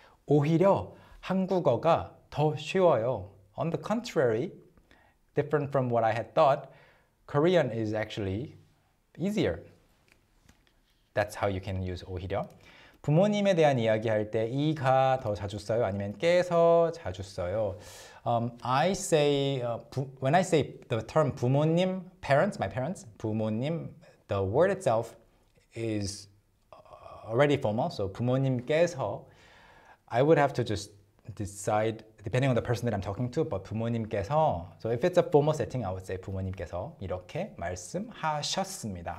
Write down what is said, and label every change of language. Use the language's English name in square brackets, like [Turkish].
[Korean] 오히려 한국어가 더 쉬워요. [English] On the contrary, different from what I had thought, Korean is actually easier. That's how you can use 오히려. [Korean] 부모님에 대한 이야기할 때 이가 더 자주 써요? 아니면 께서 자주 써요? [English] I say, when I say the term 부모님, parents, my parents, 부모님, the word itself is already formal, so 부모님께서, I would have to just decide, depending on the person that I'm talking to, but 부모님께서, so if it's a formal setting, I would say [Korean] 부모님께서 이렇게 말씀하셨습니다.